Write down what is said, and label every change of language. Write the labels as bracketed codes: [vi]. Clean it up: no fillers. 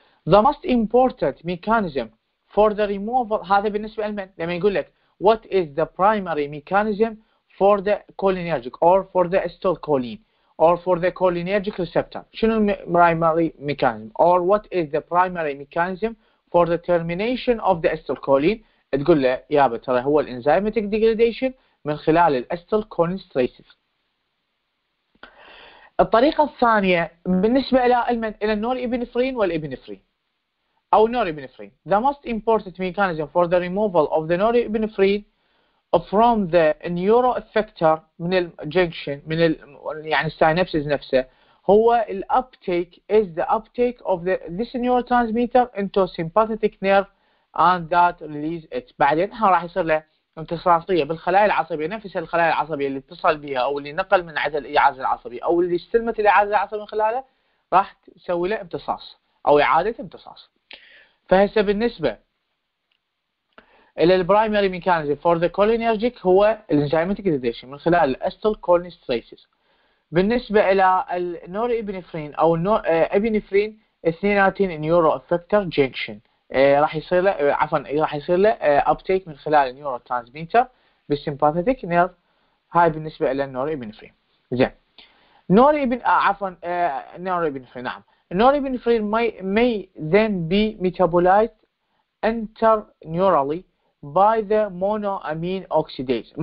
[en] The most important mechanism for the removal، [ar] هذا بالنسبة لمن؟ لما يقول لك [en] what is the primary mechanism for the cholinergic or for the acetylcholine or for the cholinergic receptor. شنو primary mechanism or what is the primary mechanism for the termination of the acetylcholine؟ [ar] تقول له يا ترى هو الانزيماتيك [en] degradation [ar] من خلال الاستيلكولين ستريسز. الطريقة الثانية بالنسبة إلى النور إبنفرين والإبنفرين أو نور إبنفرين. [en] The most important mechanism for the removal of the norepinephrine from the neuro effector من ال junction [ar] من ال يعني [en] synapses نفسه هو ال uptake is the uptake of the this neurotransmitter into sympathetic nerve and that release it. [ar] بعدين ها راح يصير له امتصاصية بالخلايا العصبية، نفس الخلايا العصبية اللي اتصل بها أو اللي نقل من عدد الإعاز العصبي أو اللي استلمت الإعاز العصبي من خلاله راح تسوي له امتصاص أو إعادة امتصاص. فهسه بالنسبة الى [en] البرايمري mechanism for the cholinergic [ar] هو الانزيماتيك ديجريشن من خلال الاستل كولين ستريسز. بالنسبه الى النور ابينفرين او النور ابينفرين اثنيناتين نيورو افكتر جنكشن راح يصير له راح يصير له ابتيك من خلال النيورو ترانسميتر بالسمباثيتك نيرف. هاي بالنسبه الى النور ابينفرين. زين نور ابن نور ابينفرين نعم النور ابينفرين [en] may then be metabolized interneurally by the monoamine oxidase.